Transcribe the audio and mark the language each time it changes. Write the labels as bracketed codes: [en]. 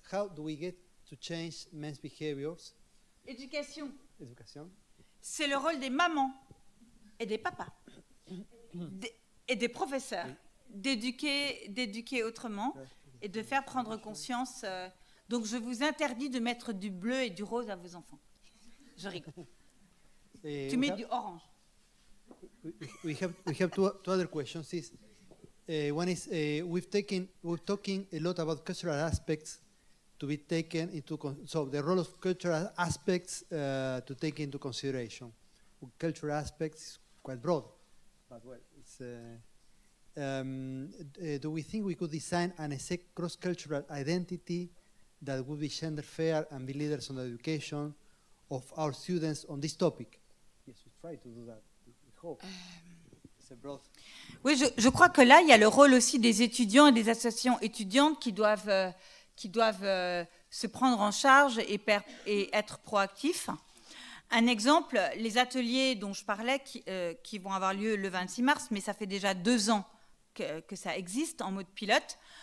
[en] How do we get to change men's behaviors? [fr] Éducation. C'est le rôle des mamans et des papas et des professeurs d'éduquer autrement et de faire prendre conscience. Donc je vous interdis de mettre du bleu et du rose à vos enfants. Je rigole. Tu mets du orange. [en] We have two other questions. We're talking a lot about cultural aspects to be taken into the role of cultural aspects to take into consideration. Cultural aspects is quite broad, but well, it's. Do we think we could design an exact cross-cultural identity that would be gender fair and be leaders on the education of our students on this topic? Yes, we try to do that. We hope. [fr] Oui, je crois que là, il y a le rôle aussi des étudiants et des associations étudiantes qui doivent se prendre en charge et être proactifs. Un exemple, les ateliers dont je parlais qui vont avoir lieu le 26 mars, mais ça fait déjà 2 ans que ça existe en mode pilote.